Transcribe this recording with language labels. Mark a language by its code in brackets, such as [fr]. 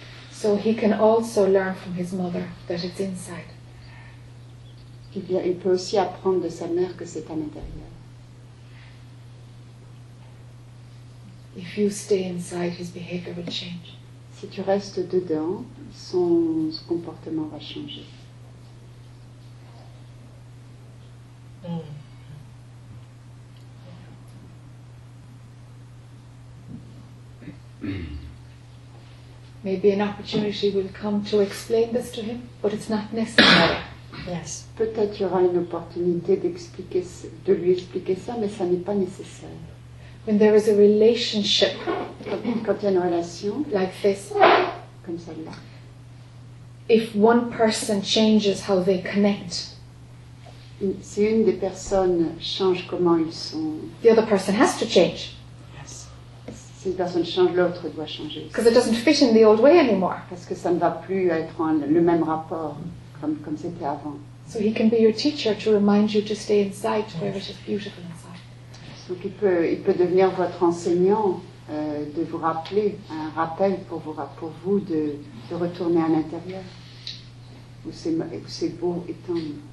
[en] So he can also learn from his mother that it's inside. [fr] Il peut aussi apprendre de sa mère que c'est à l'intérieur. [en] If you stay inside, his behavior will change. [fr] Si tu restes dedans, son comportement va changer. [en] Maybe an opportunity will come to explain this to him, but it's not necessary. Yes. [fr] Peut-être y aura une opportunité d'expliquer, de lui expliquer ça, mais ça n'est pas nécessaire. [en] When there is a relationship, [fr] quand il y a une relation, [en] like this, [fr] comme celle-là, [en] if one person changes how they connect, [fr] si une des personnes change comment ils sont, [en] the other person has to change. [fr] Si une personne change, l'autre doit changer. [en] Because it doesn't fit in the old way anymore. [fr] Parce que ça ne va plus être en, le même rapport comme c'était avant. [en] So he can be your teacher to remind you to stay inside, yes, where it is beautiful inside. [fr] Donc il peut devenir votre enseignant de vous rappeler un rappel pour vous de retourner à l'intérieur où c'est beau et tendre.